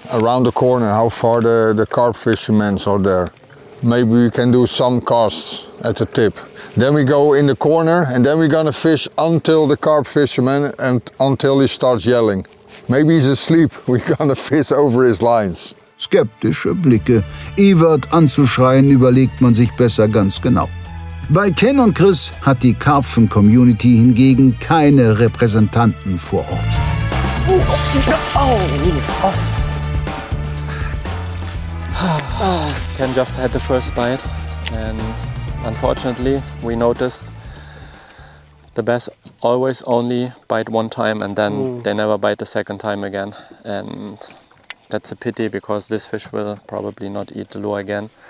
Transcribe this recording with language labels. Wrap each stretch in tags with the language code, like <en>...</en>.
<en>Around the corner, how far the carp fishermen are there. Maybe we can do some casts at the tip. Then we go in the corner, and then we're gonna fish until the carp fisherman and until he starts yelling. Maybe he's asleep. We're gonna fish over his lines.</en> <de>Skeptische Blicke. Ewert anzuschreien, überlegt man sich besser ganz genau. Bei Ken und Chris hat die Karpfen-Community hingegen keine Repräsentanten vor Ort.</de> <en>Ken just had the first bite and unfortunately we noticed the bass always only bite one time and then they never bite the second time again. And that's a pity because this fish will probably not eat the lure again.</en>